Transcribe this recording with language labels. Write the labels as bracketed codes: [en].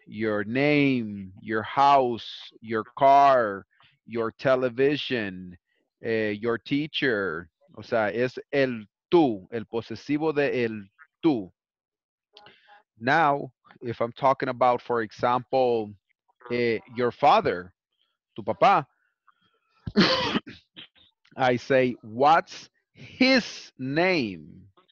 [en] Your name, your house, your car, your television, your teacher. [es] O sea, es el tú, el posesivo de el tú. [en] Now, if I'm talking about, for example, your father, [es] tu papá, [en] I say, what's his name?